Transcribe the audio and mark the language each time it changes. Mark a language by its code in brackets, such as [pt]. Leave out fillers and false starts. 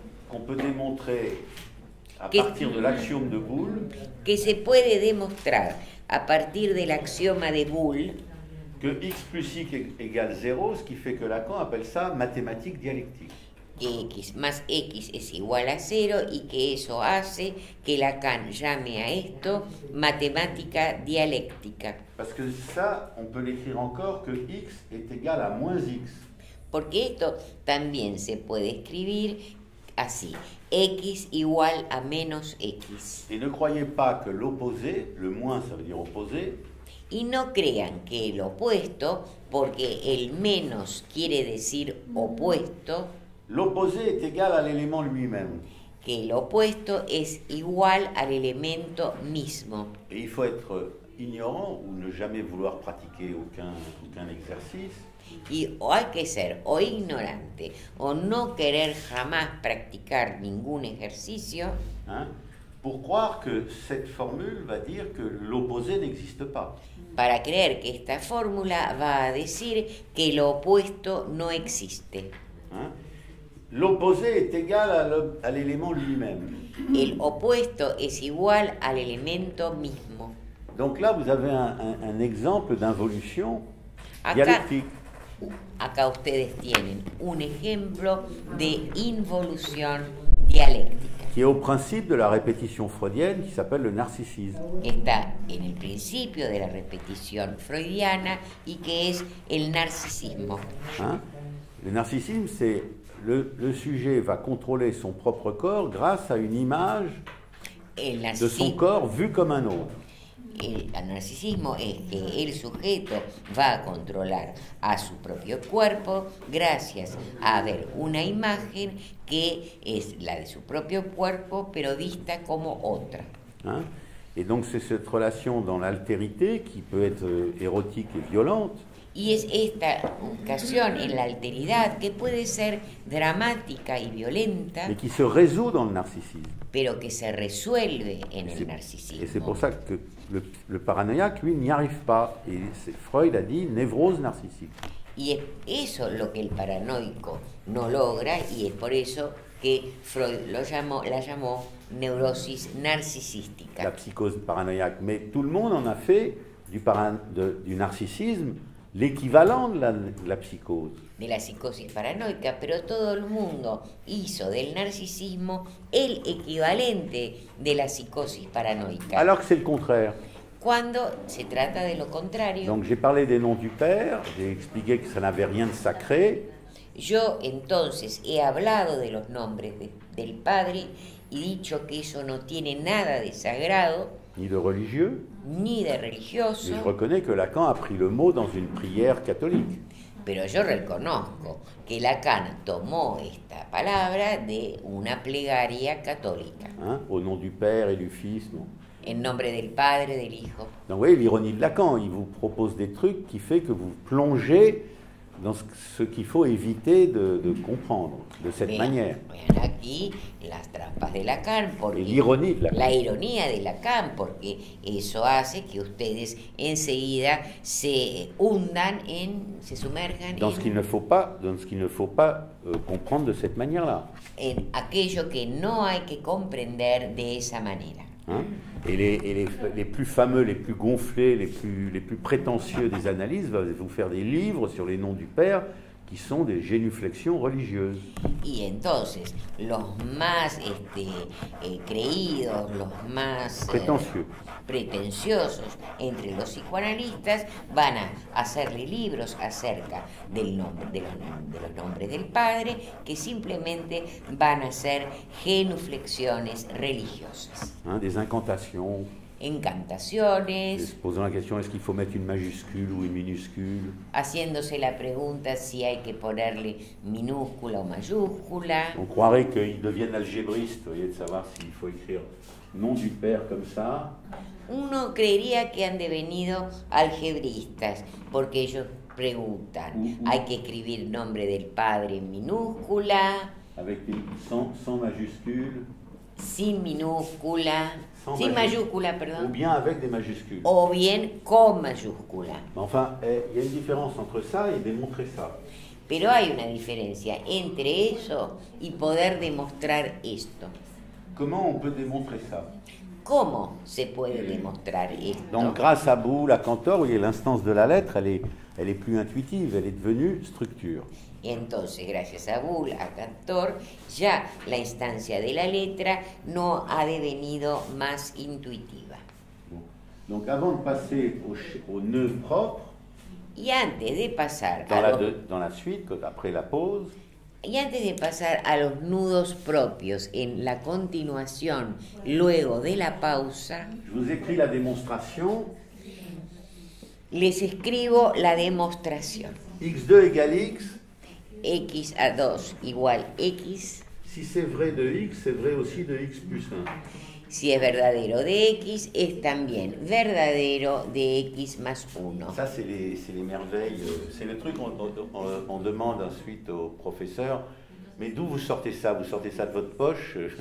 [fr] Qu'on peut démontrer à partir de l'axiome de Boole. [es] Que se puede demostrar a partir del axioma de Boole. [fr] Que x plus y égale 0, ce qui fait que Lacan appelle ça mathématique dialectique. [es] Que x más x es igual a 0 y que eso hace que Lacan llame a esto matemática dialéctica. [fr] Parce que ça, on peut l'écrire encore que x est égal à moins x. [es] Porque esto también se puede escribir así, x igual a menos x. [fr] Et ne croyez pas que l'opposé, le moins ça veut dire opposé, [es] y no crean que el opuesto, porque el menos quiere decir opuesto. [fr] L'opposé est égal à l'élément lui-même. [es] Que el opuesto es igual al elemento mismo. [fr] Et il faut être ignorant ou ne jamais vouloir pratiquer aucun exercice. [es] Y o hay que ser o ignorante o no querer jamás practicar ningún ejercicio. [fr] Hein? pour croire que cette formule va dire que l'opposé n'existe pas. [es] Para creer que esta fórmula va a decir que lo opuesto no existe. [fr] Hein? L'opposé est égal à l'élément lui-même. [es] El opuesto es igual al elemento mismo. [fr] Donc là, vous avez un exemple d'involution dialectique. [es] Acá ustedes tienen un ejemplo de involución dialéctica. [fr] Qui est au principe de la répétition freudienne, qui s'appelle le narcissisme. [es] Está en el principio de la repetición freudiana y que es el narcisismo. [fr] Hein? Le narcissisme, c'est le sujet va contrôler son propre corps grâce à une image de son corps vu comme un autre. [es] El narcisismo es que el sujeto va a controlar a su propio cuerpo gracias a ver una imagen que es la de su propio cuerpo, pero vista como otra. [fr] Hein? Et donc c'est cette relation dans l'altérité qui peut être érotique et violente. [es] Y es esta ocasión en la alteridad que puede ser dramática y violenta. [fr] Mais qui se résout dans le narcissisme. [es] Pero que se resuelve en el narcisismo. [fr] Et c'est pour ça que le paranoïaque, lui, n'y arrive pas. Et c'est, Freud a dit névrose narcissique. [es] Y es eso lo que el paranoico no logra, y es por eso que Freud la llamó neurosis narcisística. [fr] La psychose paranoïaque. Mais tout le monde en a fait du narcissisme l'équivalent de la psychose. [es] De la psicosis paranoica, pero todo el mundo hizo del narcisismo el equivalente de la psicosis paranoica. [fr] Alors que c'est le contraire. [es] Cuando se trata de lo contrario. [fr] Donc j'ai parlé des noms du père, j'ai expliqué que ça n'avait rien de sacré. [es] Yo entonces he hablado de los nombres del padre y dicho que eso no tiene nada de sagrado. [fr] Ni de religieux. [es] Ni de religioso. [fr] Mais je reconnais que Lacan a pris le mot dans une prière catholique. [es] Pero yo reconozco que Lacan tomó esta palabra de una plegaria católica. [fr] Hein? Au nom du Père et du Fils, non? [es] En nombre del Padre, del Hijo. [fr] Donc vous voyez l'ironie de Lacan, il vous propose des trucs qui fait que vous plongez dans ce qu'il faut éviter de comprendre de cette manière. [es] Vean aquí las trampas de Lacan, porque [fr] l'ironie de Lacan. [es] La ironía de Lacan, porque eso hace que ustedes enseguida se sumerjan [fr] dans ce qu'il ne faut pas, comprendre de cette manière-là. [es] En aquello que no hay que comprender de esa manera. [fr] Hein? Et les plus fameux, les plus gonflés, les plus prétentieux des analyses vont vous faire des livres sur les noms du Père qui sont des génuflexions religieuses. [es] Y entonces, los más creídos, los más pretenciosos entre los psicoanalistas van a hacerle libros acerca de los nombres del Padre que simplemente van a ser genuflexiones religiosas. [fr] Hein, des incantations. [es] Encantaciones. [fr] Se posant la question, est-ce qu'il faut mettre une majuscule ou une minuscule? [es] Haciéndose la pregunta si hay que ponerle minúscula o mayúscula. [fr] On croirait qu'ils deviennent algébristes, vous voyez, de savoir s'il faut écrire nom du Père comme ça. [es] Uno creería que han devenido algebristas, porque ellos preguntan, hay que escribir nombre del Padre en minúscula. [fr] Avec sans majuscule. [es] Sin minúscula. Sin majúscula, perdón. [fr] Ou bien avec des majuscules. [es] O bien con majúscula. [fr] Enfin, y a une différence entre ça et démontrer ça. [es] Pero hay una diferencia entre eso y poder demostrar esto. [fr] Comment on peut démontrer ça? [es] ¿Cómo se puede demostrar esto? [fr] Donc grâce à Boulle, à Cantor, y a l'instance de la lettre, elle est plus intuitive, elle est devenue structure. [es] Entonces, gracias a Boulle, a Cantor, ya la instancia de la letra no ha devenido más intuitiva. [fr] Donc avant de passer au nœud propre, [es] y antes de pasar [fr] dans la suite, après la pause, [es] y antes de pasar a los nudos propios en la continuación luego de la pausa, [fr] je vous écris la démonstration. [es] Les escribo la demostración. [fr] X2 égale X. [es] X a 2 igual X. [fr] Si c'est vrai de X, c'est vrai aussi de X plus 1. [es] Si es verdadero de X, es también verdadero de X más 1. [fr] Ça, c'est les merveilles. C'est le truc qu'on demande ensuite au professeur. Mais d'où vous sortez ça? Vous sortez ça de votre poche?